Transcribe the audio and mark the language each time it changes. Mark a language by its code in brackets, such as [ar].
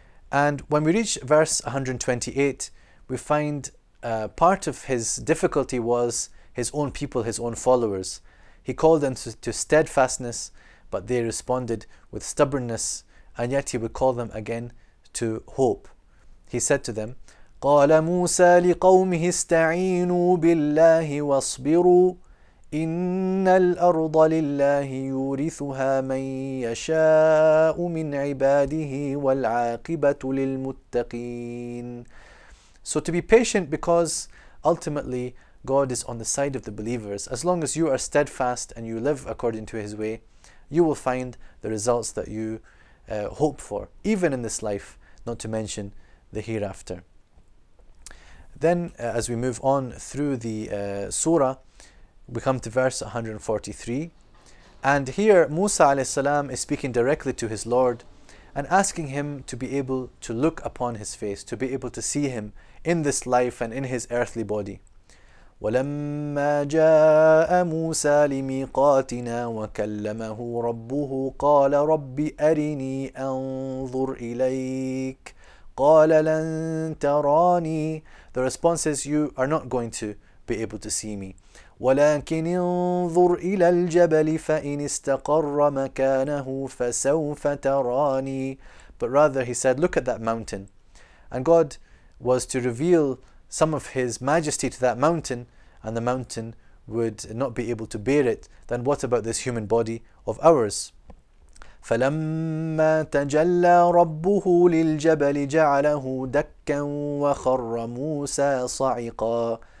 [en] And when we reach verse 128, we find part of his difficulty was his own people, his own followers. He called them to steadfastness, but they responded with stubbornness, and yet he would call them again to hope. He said to them, [ar] قَالَ مُوسَى لِقَوْمِهِ اسْتَعِينُوا بِاللَّهِ وَاصْبِرُوا إِنَّ الْأَرْضَ لِلَّهِ يُورِثُهَا مَنْ يَشَاءُ مِنْ عِبَادِهِ وَالْعَاقِبَةُ لِلْمُتَّقِينَ. [en] So to be patient, because ultimately God is on the side of the believers. As long as you are steadfast and you live according to His way, you will find the results that you hope for, even in this life, not to mention the hereafter. Then as we move on through the surah, we come to verse 143, and here Musa alayhi salam is speaking directly to his Lord and asking Him to be able to look upon His face, to be able to see Him in this life and in his earthly body. [ar] وَلَمَّا جَاءَ مُوسَى لِمِيقَاتِنَا وَكَلَّمَهُ رَبُّهُ قَالَ رَبِّ أَرِنِي أَنظُرْ إِلَيْكَ قَالَ لَن تَرَانِي. [en] The response is, you are not going to be able to see me. [ar] ولكن انظر إلى الجبل فإن استقر مكانه فسوف تراني. [en] But rather he said, look at that mountain. And God was to reveal some of His majesty to that mountain, and the mountain would not be able to bear it. Then what about this human body of ours? [ar] فلما تجلى ربه للجبل جعله دكا وخر موسى صعقا.